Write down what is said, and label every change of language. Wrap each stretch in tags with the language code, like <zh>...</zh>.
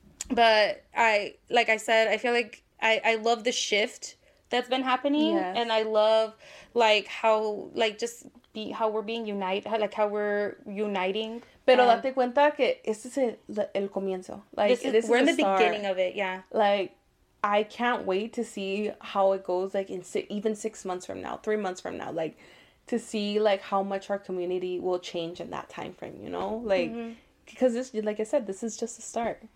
<en>But I feel like I love the shift that's been happening, yes. And I love, like, how, like, just be, how we're being united, like, how we're uniting.</en> <es>Pero date cuenta que este es el comienzo.</es> <en>Like, this is we're in the beginning of it, yeah. Like, I can't wait to see how it goes, like, in even 6 months from now, 3 months from now, like, to see, like, how much our community will change in that time frame, you know? Like, because mm-hmm. this, like I said, this is just a start.</en>